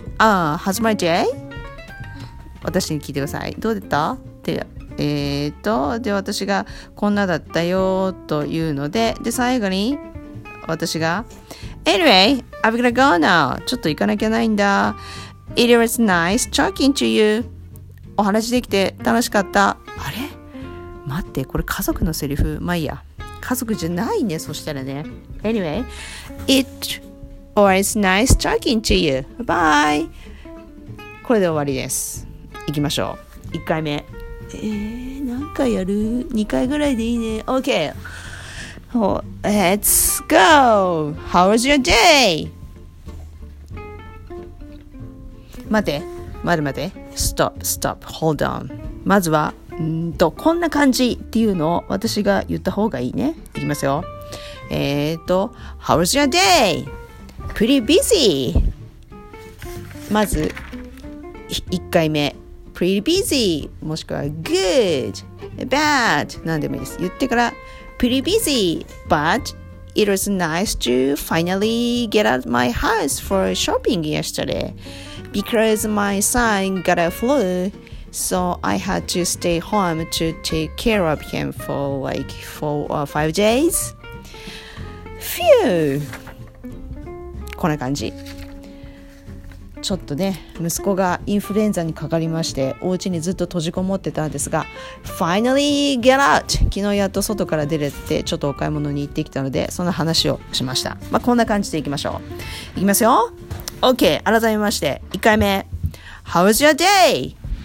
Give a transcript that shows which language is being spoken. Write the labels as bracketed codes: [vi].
[en] How's my day? [ja] 私に聞いてください。どうだった？ってで私がこんなだったよというので、で最後に私が [en] Anyway, I'm gonna go now. [ja] ちょっと行かなきゃないんだ。 [en] It was nice talking to you. [ja] お話できて楽しかった。あれ待って、これ家族のセリフ。まあいいや、家族じゃないね。そしたらね、 [en] Anyway, It was nice talking to you. [ja] Bye. これで終わりです。行きましょう。 1回目、何回やる？2 回ぐらいでいいね。 [en] OK、oh, Let's go! How was your day? [ja] 待て、 [en] Stop Hold on。 [ja] まずはこんな感じっていうのを私が言った方がいいね。いきますよ。 [en] How was your day? Pretty busy。 [ja] まず1回目、 [en] Pretty busy [ja] もしくは good, bad 何でもいいです。言ってから [en] Pretty busy, but it was nice to finally get out my house for shopping yesterday because my son got a flu, so I had to stay home to take care of him for like 4 or 5 days. [ja] Phew! こんな感じ。ちょっとね、息子がインフルエンザにかかりまして、お家にずっと閉じこもってたんですが、 [en] Finally get out! [ja] 昨日やっと外から出れて、ちょっとお買い物に行ってきたので、その話をしました。まあ、こんな感じでいきましょう。いきますよ。 OK、 改めまして、1回目、 [en] How was your day?